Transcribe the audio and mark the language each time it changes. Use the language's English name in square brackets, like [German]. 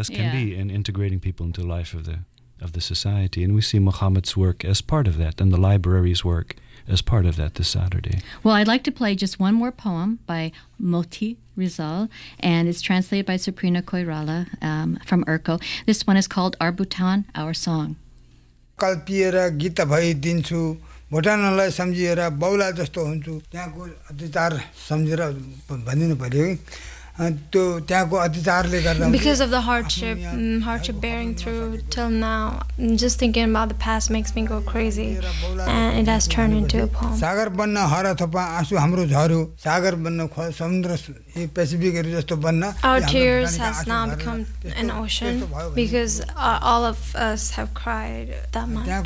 [English] as can be in integrating people into life of the society. And we see Muhammad's work as part of that, and the library's work as part of that this Saturday. Well, I'd like to play just one more poem by Moti Rizal, and it's translated by Suprina Koirala from IRCO. This one is called Our Bhutan, Our Song. [Nepali] कल्पिएर गीत भई दिन्छु भुटानलाई सम्झिएर बौला जस्तो हुन्छु त्यहाँको अत्याचार सम्झेर भनिदिनु पर्यो है त्यो त्यहाँको अत्याचारले गर्दा [English] Because of the hardship bearing through till now just thinking about the past makes me go crazy and it has turned into a poem. [Nepali] सागर बन्न हर थपा आँसु हाम्रो झर्यो सागर बन्न खो समुद्र यी पेसिफिकहरू जस्तो बन्न [English] Our tears has now become an ocean because all of us have cried that much.